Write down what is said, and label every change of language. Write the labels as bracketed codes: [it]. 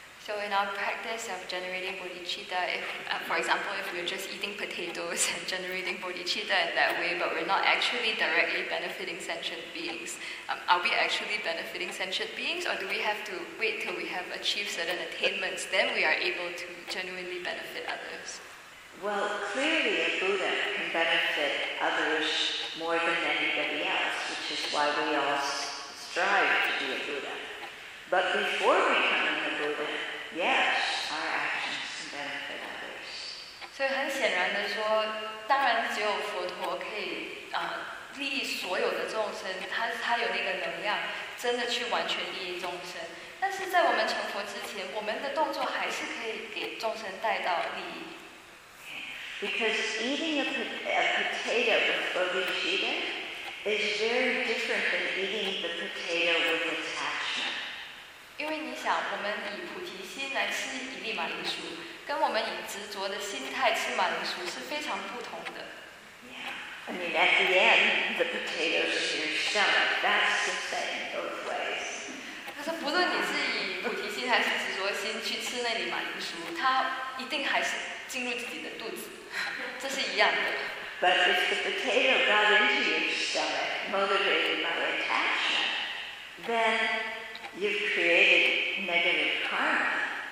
[en] In our practice of generating bodhicitta, for example, if we're just eating potatoes and generating bodhicitta in that way, but we're not actually directly benefiting sentient beings, are we actually benefiting sentient beings, or do we have to wait till we have achieved certain attainments, then we are able to genuinely benefit others? Well, clearly a Buddha can benefit others more than anybody else, which is why we all strive to be a Buddha. But before becoming a Buddha,Yes, our actions can benefit others. [zh] 所以很显然的说，当然只有佛陀可以。利益所有的众生，他有那个能量，真的去完全利益众生。但是在我们成佛之前，我们的动作还是可以给众生带到利益。 [en] Because eating a potato with bodhicitta is very different than eating the potato with attachment. [zh] 因为你想，我们以菩提心来吃一粒马铃薯，跟我们以执着的心态吃马铃薯是非常不同的。 [en] I mean, at the end, the potato is your stomach. That's the same in both ways. [zh] 可是不论你是以菩提心还是执着心去吃那粒马铃薯，它一定还是进入自己的肚子，这是一样的。 [en] But if the potato got into your stomach, motivated by attachment, then you've created negative karma.